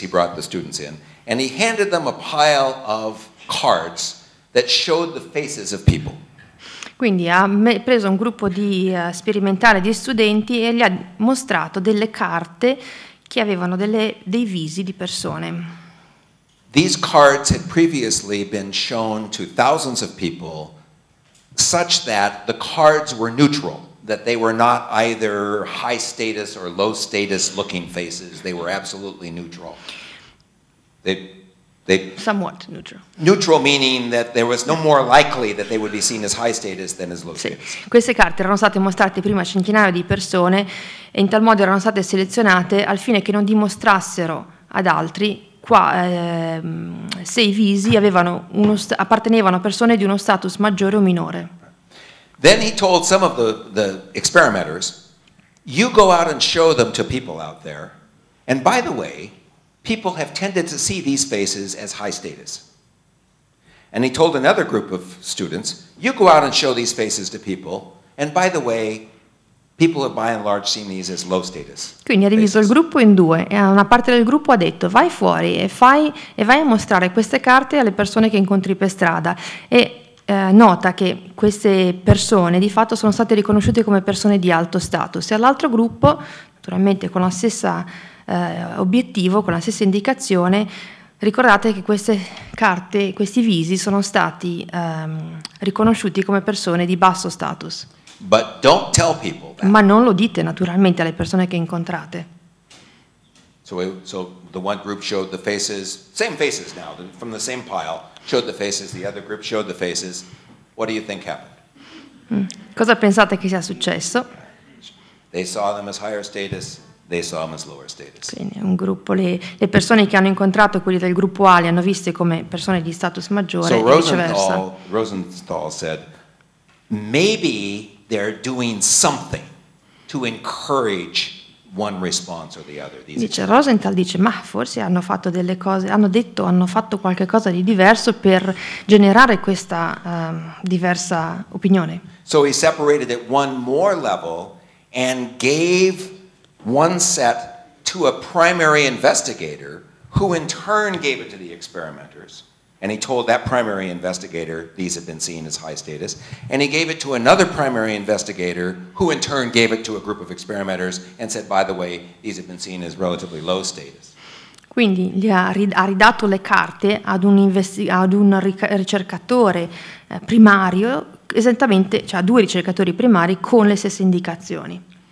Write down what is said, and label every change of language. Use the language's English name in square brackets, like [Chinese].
[English] He brought the students in, and he handed them a pile of cards that showed the faces of people. [Italian] Quindi ha preso un gruppo di sperimentali, di studenti, e gli ha mostrato delle carte che avevano dei visi di persone. [English] These cards had previously been shown to thousands of people such that the cards were neutral, that they were not either high status or low status looking faces, they were absolutely neutral. They somewhat neutral. Neutral meaning that there was no more likely that they would be seen as high status than as low status. [Italian] Sì. Queste carte erano state mostrate prima a centinaia di persone e in tal modo erano state selezionate al fine che non dimostrassero ad altri se i visi appartenevano a persone di uno status maggiore o minore. [English] Then he told some of the experimenters, you go out and show them to people out there, and by the way, people have tended to see these faces as high status. And he told another group of students, you go out and show these faces to people, and by the way, people have by and large seen these as low status. [Italian] Quindi ha diviso il gruppo in due, e una parte del gruppo ha detto, vai fuori e vai a mostrare queste carte alle persone che incontri per strada. E nota che queste persone di fatto sono state riconosciute come persone di alto status. E all'altro gruppo, naturalmente con la stessa obiettivo, con la stessa indicazione, Ricordate che queste carte, questi visi, sono stati riconosciuti come persone di basso status. [English] But don't tell people that. [Italian] Ma non lo dite naturalmente alle persone che incontrate. [English] So the one group showed the faces, same faces now, from the same pile, showed the faces, the other group showed the faces. What do you think happened? [Italian] Cosa pensate che sia successo? [English] They saw them as higher status, they saw them as lower status. [Italian] Quindi un gruppo, le persone che hanno incontrato, quelli del gruppo A, li hanno viste come persone di status maggiore, [English] so [Italian] e viceversa. [English] Rosenthal said, maybe they're doing something to encourage one response or the other. [Italian] Dice Rosenthal, dice, ma forse hanno fatto delle cose, hanno detto, hanno fatto qualche cosa di diverso per generare questa diversa opinione. [English] So he separated at one more level and gave one set to a primary investigator who in turn gave it to the experimenters. And he told that primary investigator these had been seen as high status. And he gave it to another primary investigator who in turn gave it to a group of experimenters and said, by the way, these have been seen as relatively low status. [Italian] Quindi gli ha ridato le carte ad un ricercatore primario, esattamente, cioè a due ricercatori primari con le stesse indicazioni.